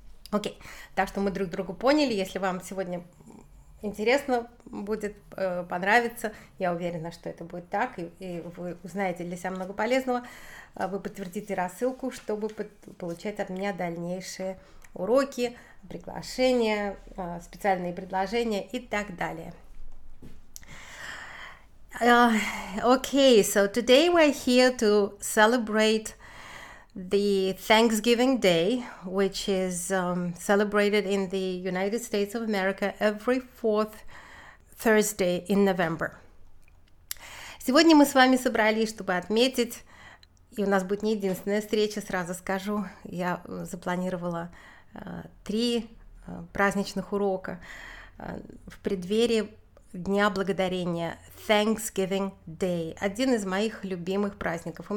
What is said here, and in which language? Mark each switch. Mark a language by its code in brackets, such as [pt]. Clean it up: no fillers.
[ru] Окей, так что мы друг друга поняли. Если вам сегодня интересно будет, понравится, я уверена, что это будет так, и вы узнаете для себя много полезного, вы подтвердите рассылку, чтобы получать от меня дальнейшие уроки, приглашения, специальные предложения и так далее. [en] Okay, so today we're here to celebrate the Thanksgiving Day, which is celebrated in the United States of America every fourth Thursday in November. [ru] Сегодня мы с вами собрались, чтобы отметить, и у нас будет не единственная встреча, сразу скажу, я запланировала три праздничных урока в преддверии Дня Благодарения, Thanksgiving Day, один из моих любимых праздников.